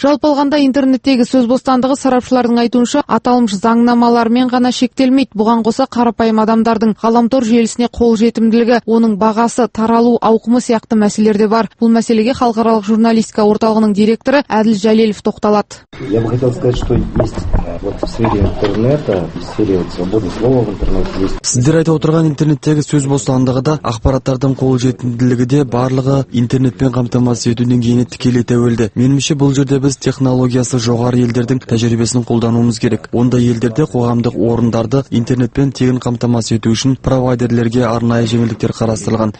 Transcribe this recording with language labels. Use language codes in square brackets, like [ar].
[kk] Жалпы алғанда интернеттегі сөз бостандығы сарапшылардың айтуынша аталмыш заңнамалармен ғана шектелмейді. Бұған қоса қарапайым адамдардың ғаламтор желісіне қол жетімділігі, оның бағасы, таралу ауқымы сияқты мәселелер де бар. Бұл мәселеге халықаралық журналистика орталығының директоры Әділ Жәлелов тоқталады. [ru] Я бы хотел сказать, что есть вот в сфере интернета, в сфере свободы слова в интернете есть. [kk] Сіздер айтып отырған интернеттегі сөз бостандығы да ақпараттардың қол жетімділігі де барлығы интернетпен қамтамасыз етуден кейін тікелей тәуелді. Меніңше бұл жерде біз технологиясы жоғары елдердің тәжірибесін қолдануымыз керек. Ондай елдерде қоғамдық орындарды интернетпен тегін қамтамасыз ету үшін провайдерлерге арнайы жеңілдіктер қарастырылған.